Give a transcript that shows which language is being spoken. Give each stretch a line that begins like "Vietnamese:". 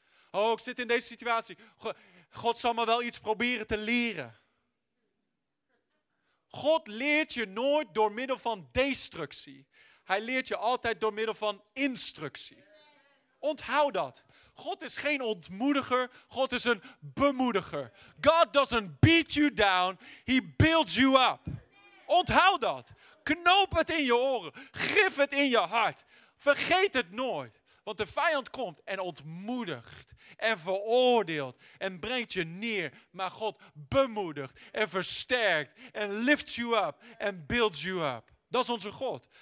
Dutch: Oh, ik zit in deze situatie. God zal me wel iets proberen te leren. God leert je nooit door middel van destructie. Hij leert je altijd door middel van instructie. Onthoud dat. God is geen ontmoediger, God is een bemoediger.
English: God doesn't beat you down, he builds you up.
Dutch: Onthoud dat. Knoop het in je oren, grif het in je hart. Vergeet het nooit, want de vijand komt en ontmoedigt en veroordeelt en brengt je neer. Maar God bemoedigt en versterkt en
English: lifts you up
Dutch: en
English: builds you up.
Dutch: Dat is onze God.